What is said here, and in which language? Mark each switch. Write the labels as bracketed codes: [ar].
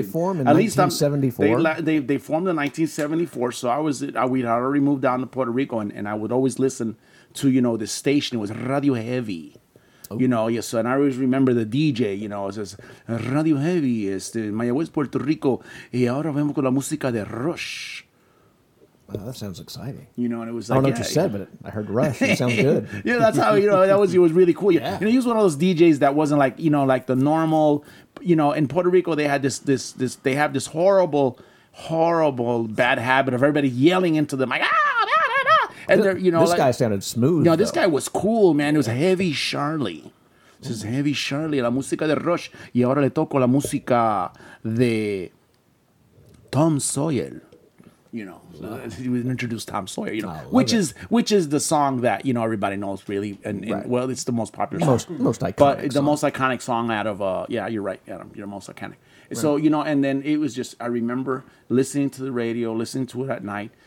[en] see. Did they form in 1974? They formed in 1974. So we'd already moved down to Puerto Rico, and I would always listen to, you know, this station. It was Radio Heavy. Oh. You know, yes. So, and I always remember the DJ, you know, it says Radio Heavy, Mayagüez, Puerto Rico. [es] Y ahora vemos con la música de Rush. [en] Wow, that sounds exciting. You know, and it was like, I don't know what you said, but I heard Rush. It sounds good. Yeah, that's how, you know, it was really cool. Yeah. You know, he was one of those DJs that wasn't like, you know, like the normal, you know, in Puerto Rico, they had this horrible, horrible bad habit of everybody yelling into the mic. And they're, you know, this guy sounded smooth. No, this guy was cool, man. It was Heavy Charlie. This is Heavy Charlie. [es] La música de Rush. Y ahora le toco la música de Tom Sawyer. [en] You know, we introduced Tom Sawyer, you know, which is the song that, you know, everybody knows really. And right. Well, it's the most popular song. Most iconic. But the most iconic song out of, you're right, Adam. You're most iconic. Right. So, you know, and then it was just, I remember listening to the radio, listening to it at night.